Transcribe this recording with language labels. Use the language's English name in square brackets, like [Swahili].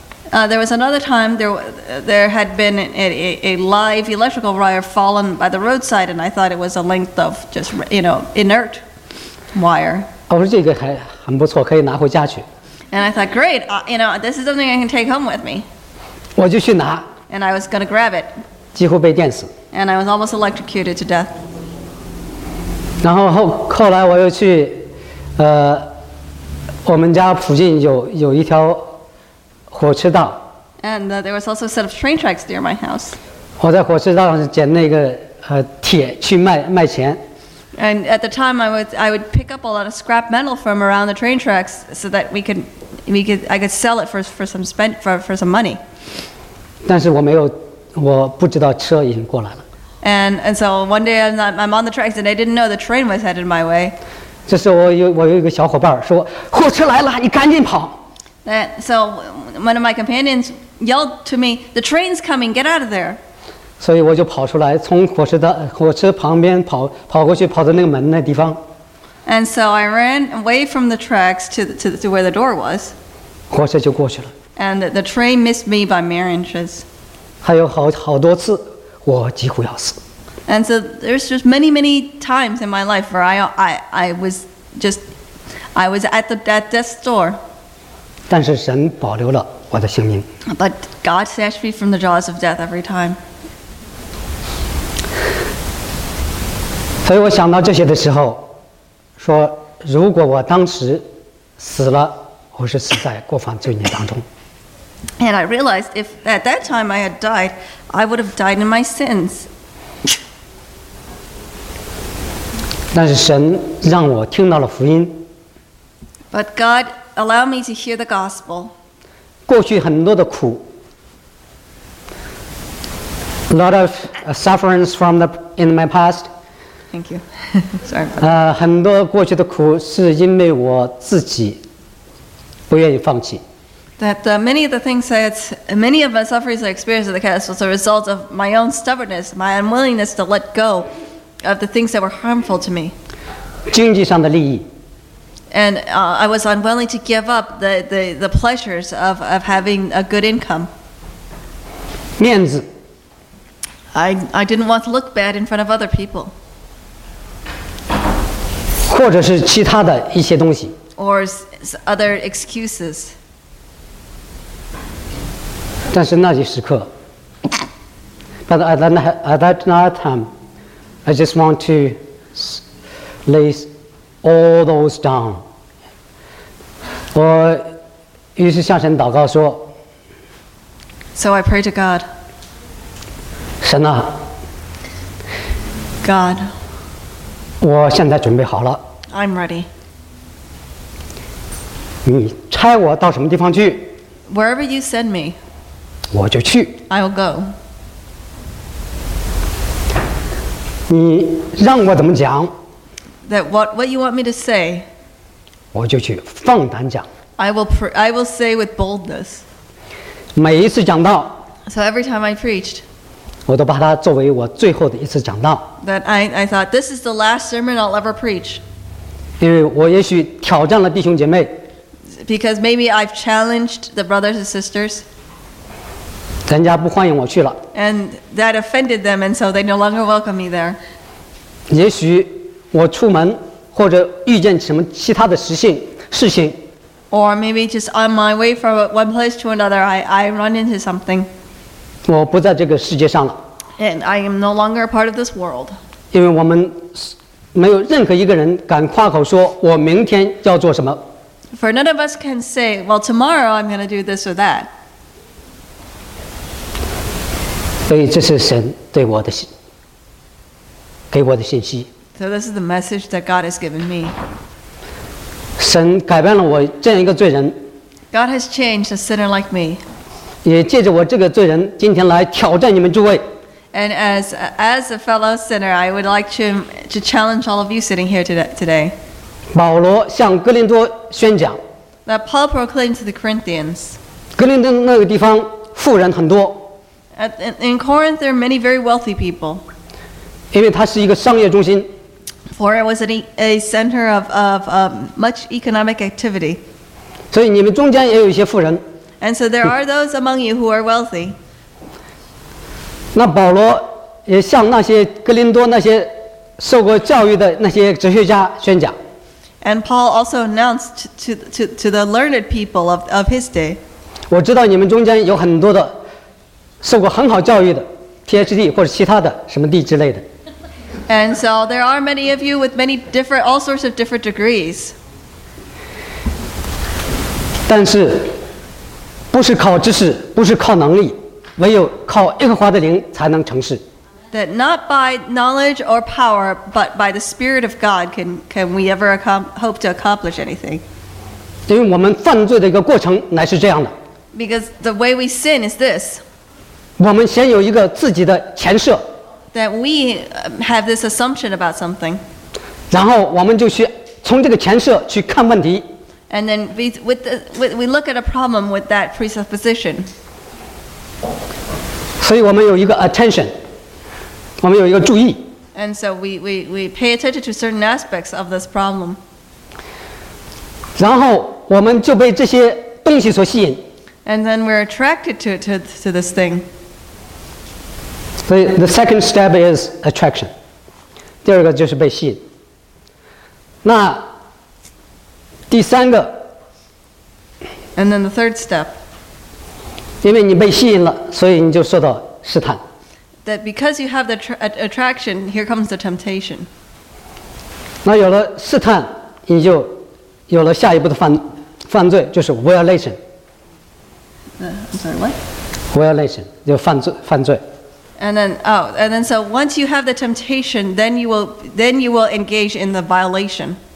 [English] There was another time there had been a live electrical wire fallen by the roadside, and I thought it was a length of just, you know, inert wire. [Chinese] 我说这个还很不错，可以拿回家去。 [English] And I thought, great, you know, this is something I can take home with me. [Chinese] 我就去拿。 [English] And I was going to grab it. [Chinese] 几乎被电死。 [English] and I was almost electrocuted to death. [Chinese] 然后后来我又去，我们家附近有一条火车道。 [English] And there was also a set of train tracks near my house. [Chinese] 我在火车道上捡那个铁去卖钱。 [English] And at the time, I would pick up a lot of scrap metal from around the train tracks so that I could sell it for some money. [Chinese] 但是我没有，我不知道车已经过来了。 [English] And so one day I'm on the tracks and I didn't know the train was headed my way. [Chinese] 这时候我有一个小伙伴说火车来了，你赶紧跑。 [English] So one of my companions yelled to me, "The train's coming, get out of there." [Chinese] 所以我就跑出来，从火车旁边跑过去，跑到那个门那地方。 [English] And so I ran away from the tracks to where the door was. [Chinese] 火车就过去了。 [English] And the train missed me by mere inches. [Chinese] 还有好多次，我几乎要死。 [English] And so there's just many, many times in my life where I was at the death's door. [Chinese] 但是神保留了我的性命。 [English] But God snatched me from the jaws of death every time. [Chinese] 所以我想到这些的时候，说如果我当时死了，我是死在过犯罪孽当中。 [English] And I realized if at that time I had died, I would have died in my sins. [Chinese] 但是神让我听到了福音。 [English] But God. Allow me to hear the gospel. [Chinese] 过去很多的苦 [English] a lot of sufferings in my past. Thank you. Sorry. About that. [Chinese] 很多过去的苦是因为我自己不愿意放弃。 [English] That many of the things that many of my sufferings I experienced at the castle was a result of my own stubbornness, my unwillingness to let go of the things that were harmful to me. [Chinese] 经济上的利益。 [English] And I was unwilling to give up the pleasures of having a good income. [Chinese] 面子 [English] I didn't want to look bad in front of other people. [Chinese] 或者是其他的一些东西 [English] Or other excuses. [Chinese] 但是那些时刻 [English] But at that time, I just want to lay all those down. [Chinese] 我于是向神祷告说 [English] So I pray to God. [Chinese] 神啊 [English] God. [Chinese] 我现在准备好了 [English] I'm ready. [Chinese] 你差我到什么地方去 [English] Wherever you send me. [Chinese] 我就去 [English] I'll go. [Chinese] 你让我怎么讲 [English] That what you want me to say. [Chinese] 我就去放胆讲 [English] I will say with boldness. [Chinese] 每一次讲道 [English] So every time I preached, [Chinese] 我都把它作为我最后的一次讲道 [English] That I thought, this is the last sermon I'll ever preach. [Chinese] 因为我也许挑战了弟兄姐妹 [English] Because maybe I've challenged the brothers and sisters. [Chinese] 人家不欢迎我去了 [English] And that offended them, and so they no longer welcome me there. [Chinese] 也许我出门或者遇见什么其他的事情 [English] Or maybe just on my way from one place to another, I run into something. [Chinese] 我不在这个世界上了。 [English] And I am no longer a part of this world. [Chinese] 因为我们没有任何一个人敢夸口说我明天要做什么。 [English] For none of us can say, well, tomorrow I'm going to do this or that. [Chinese] 所以这是神对我的信，给我的信息。 [English] So this is the message that God has given me. [Chinese] 神改变了我这样一个罪人 [English] God has changed a sinner like me [Chinese] 也借着我这个罪人今天来挑战你们诸位 [English] And as a fellow sinner I would like to challenge all of you sitting here today [Chinese] 保罗向哥林多宣讲 [English] That Paul proclaimed to the Corinthians [Chinese] 哥林多那个地方富人很多 [English] In Corinth there are many very wealthy people [Chinese] 因为它是一个商业中心 [English] For it was a center of much economic activity. [Chinese] 所以你们中间也有一些富人。 [English] And so there are those among you who are wealthy. [Chinese] 那保罗也向那些哥林多那些受过教育的那些哲学家宣讲。 [English] And Paul also announced to the learned people of his day. [Chinese] 我知道你们中间有很多的受过很好教育的。 PhD 或者其他的什么地之类的。 [English] And so there are many of you with many different, all sorts of different degrees. [Chinese] 但是，不是靠知识，不是靠能力，唯有靠耶和华的灵才能成事。 [English] That not by knowledge or power, but by the Spirit of God can we ever hope to accomplish anything. [Chinese] 因为我们犯罪的一个过程乃是这样的。 [English] Because the way we sin is this. [Chinese] 我们先有一个自己的前设。 [English] That we have this assumption about something. [Chinese] 然后我们就去从这个前设去看问题。 [English] And then we look at a problem with that presupposition. [Chinese] 所以我们有一个 attention. 我们有一个注意。 [English] And so we pay attention to certain aspects of this problem. [Chinese] 然后我们就被这些东西所吸引。 [English] And then we're attracted to this thing. So the second step is attraction. [Chinese] 第二个就是被吸引。那第三个。 [English] And then the third step. [Chinese] 因为你被吸引了，所以你就受到试探。 [English] That because you have the attraction, here comes the temptation. [Chinese] 那有了试探，你就有了下一步的犯罪，就是 violation. [English] I'm sorry, what? [Chinese] Violation, 就犯罪。 [English] And then, once you have the temptation, then you will engage in the violation.